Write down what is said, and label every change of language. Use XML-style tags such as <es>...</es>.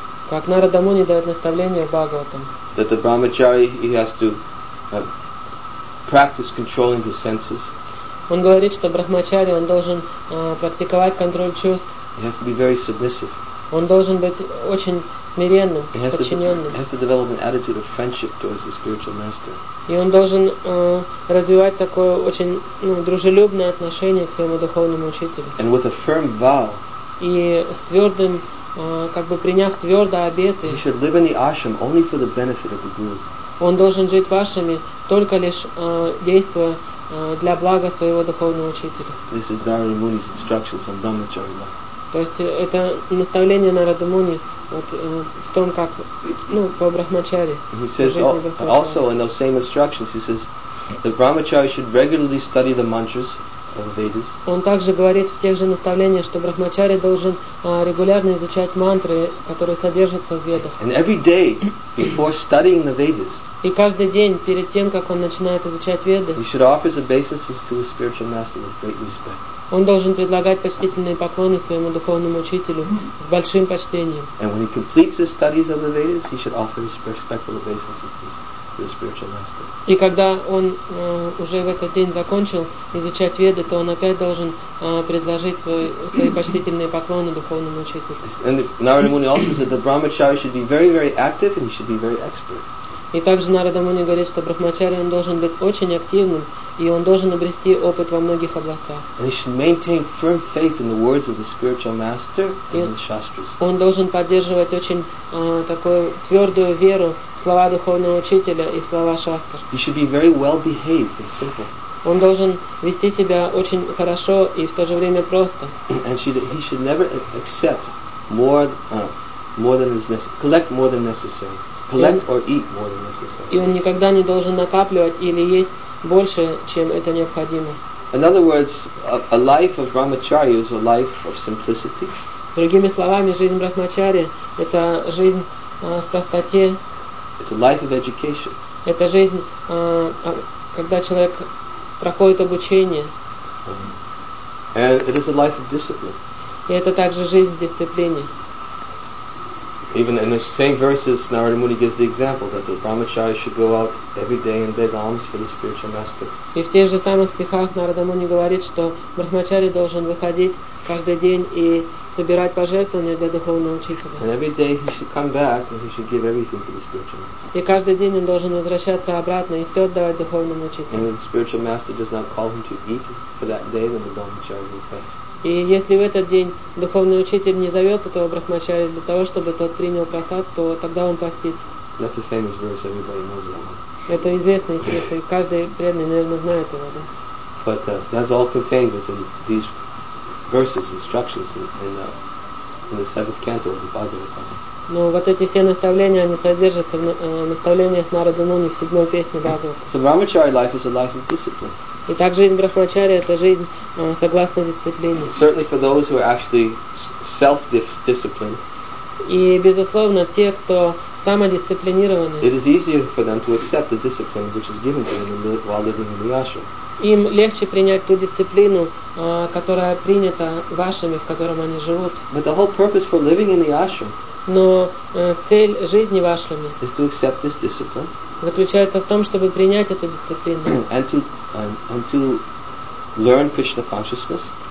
<ru>Как Нарада Муни дает наставление в Бхагаватам.</ru> <en>That the brahmachari he has to practice controlling his senses.</en> <ru>Он говорит, что брахмачари, он должен практиковать контроль чувств.</ru> <en>He has to be very submissive.</en> <ru>Он должен быть очень смиренным, подчиненным.</ru> <en>He has to develop an attitude of friendship towards the spiritual master.</en> <ru>И он должен развивать такое очень дружелюбное отношение к своему духовному учителю.</ru> <en>And with a firm vow.</en> <ru>И с твердым, как бы приняв твердо обеты.</ru> <en>He should live in the ashram only for the benefit of the guru.</en> <ru>Он должен жить в ашраме, только лишь действуя для блага своего духовного учителя.</ru> <en>This is Narada Muni's instructions on brahmachari life.</en> <ru>То есть это наставление Нарада Муни вот в том, как по брахмачари.</ru> <en>He says also in those same instructions, he says the brahmachari should regularly study the mantras of Vedas.</en> <ru>Он также говорит в тех же наставлениях, что брахмачари должен регулярно изучать мантры, которые содержатся в Ведах.</ru> <en>And every day before studying the Vedas.</en> <ru>И каждый день перед тем, как он начинает изучать Веды.</ru> <en>He should offer his obeisances to his spiritual master with great respect.</en> <ru>Он должен предлагать почтительные поклоны своему духовному учителю с большим почтением.</ru> <en>And when he completes his studies of the Vedas, he should offer his respectful obeisances to the spiritual master.</en> <ru>И когда он уже в этот день закончил изучать Веды, то он опять должен предложить свои почтительные поклоны духовному учителю.</ru> <en>And Narada Muni also said that the brahmachari should be very, very active and he should be very expert.</en> <ru>И также Нарада Муни говорит, что брахмачари он должен быть очень активным, и он должен обрести опыт во многих областях.</ru> <en>And he should maintain firm faith in the words of the spiritual master and the shastras.</en> <ru>Он должен поддерживать очень такую твердую веру в слова духовного учителя и в слова шастр.</ru> <en>He should be very well behaved and simple.</en> <ru>Он должен вести себя очень хорошо и в то же время просто.</ru> <en>And he should never accept collect more than necessary. Collect or eat more than necessary.</en> <ru>И он никогда не должен накапливать или есть больше, чем это необходимо.</ru> <en>In other words, a life of brahmachari is a life of simplicity.</en> <ru>Другими словами, жизнь брахмачари — это жизнь в простоте.</ru> <en>It's a life of education.</en> <ru>Это жизнь, когда человек проходит обучение.</ru> <en>And it is a life of discipline.</en> <ru>И это также жизнь в дисциплине.</ru> <en>Even in the same verses, Narada Muni gives the example that the brahmachari should go out every day and beg alms for the spiritual master.</en> <ru>И в тех же самых стихах Нарада Муни говорит, что брахмачари должен выходить каждый день и собирать пожертвования для духовного учителя.</ru> <en>And every day he should come back and he should give everything to the spiritual master.</en> <ru>И каждый день он должен возвращаться обратно и все отдавать духовному учителю.</ru> <en>And if the spiritual master does not call him to eat for that day, then the brahmachari will pay.</en> <ru>И если в этот день духовный учитель не зовет этого брахмачари для того, чтобы тот принял просад, то тогда он постится.</ru> <en>That's a famous verse, everybody knows that one.</en> <ru>Это известный стих, и каждый преданный, наверное, знает его, да?</ru> <en>But that's all contained within these verses, instructions in the seventh canto of the Bhagavatam.</en> <ru>Но вот эти все наставления, они содержатся в наставлениях Нарада Муни в седьмой песне Бхагавата.</ru> <en>So brahmachari life is a life of discipline.</en> <ru>И так жизнь брахмачари – это жизнь согласно дисциплине.</ru> <en>Certainly for those who are actually self-disciplined.</en> <ru>И безусловно, те, кто самодисциплинированы.</ru> <en>It is easier for them to accept the discipline which is given to them while living in the ashram.</en> <ru>Им легче принять ту дисциплину, которая принята вашими, в котором они живут.</ru> <en>But the whole purpose for living in the ashram.</en> <ru>Но цель жизни в ашраме</ru> <en>is to accept this discipline.</en> <ru>Заключается в том, чтобы принять эту дисциплину.</ru> <en>And to learn Krishna consciousness.</en>